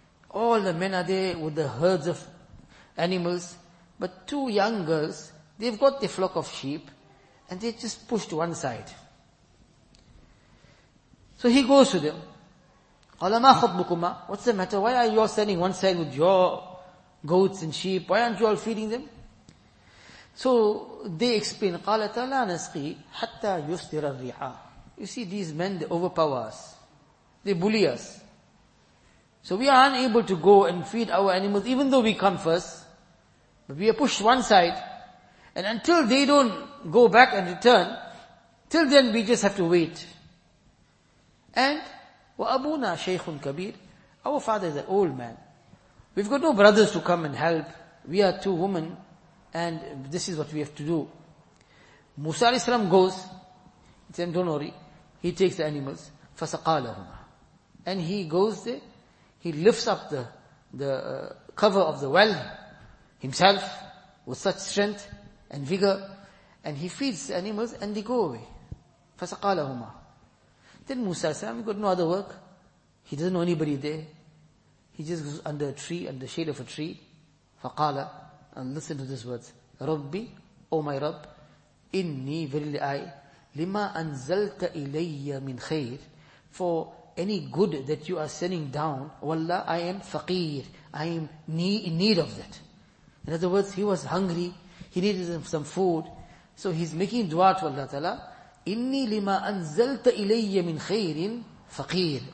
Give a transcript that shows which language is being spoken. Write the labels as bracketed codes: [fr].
[en] All the men are there with the herds of animals, but two young girls, they've got the flock of sheep, and they just pushed one side. So he goes to them. [ar] قَالَ مَا خَطْبُكُمَا. [en] What's the matter? Why are you all standing one side with your goats and sheep? Why aren't you all feeding them? So they explain, [ar] قَالَتَ لَا نَسْقِي حَتَّى يُسْتِرَ الرِّحَى. [en] You see, these men, they overpower us. They bully us. So we are unable to go and feed our animals, even though we come first. But we are pushed one side. And until they don't go back and return, till then we just have to wait. [ar] And وَأَبُونَا شَيْخٌ كَبِيرٌ. [en] Our father is an old man. We've got no brothers to come and help. We are two women, and this is what we have to do. Musa A.S. goes, he says, don't worry, he takes the animals, [ar] فَسَقَالَهُمَا. [en] And he goes there, he lifts up the cover of the well himself with such strength and vigor, and he feeds the animals and they go away. [ar] فَسَقَالَهُمَا. [en] Then Musa A.S. got no other work, he doesn't know anybody there. He just goes under a tree, under the shade of a tree. [ar] فَقَالَ. [en] And listen to these words. [ar] رَبِّي, [en] O my Rabb, [ar] إِنِّي, [en] verily I, [ar] لِمَا أَنزَلْتَ إِلَيَّ مِنْ خَيْرٍ. [en] For any good that you are sending down, wallah, I am faqir. I am in need of that. In other words, he was hungry. He needed some food. So he's making dua to Allah Ta'ala. [ar] إِنِّي لِمَا أَنزَلْتَ إِلَيَّ مِنْ خَيْرٍ. Faqir.